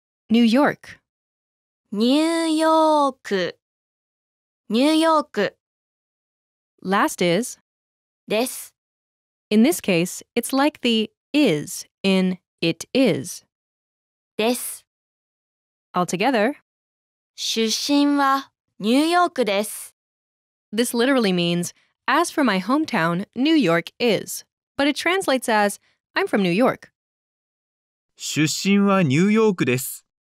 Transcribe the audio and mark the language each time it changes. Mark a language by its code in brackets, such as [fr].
[en] New York. [ja] ニューヨーク、ニューヨーク。 [en] Last is [ja] です。 [en] In this case, it's like the is in it is. [ja] です。 [en] Altogether, [ja] 出身はニューヨークです。 [en] This literally means, as for my hometown, New York is. But it translates as, I'm from New York. [ja] 出身はニューヨークです。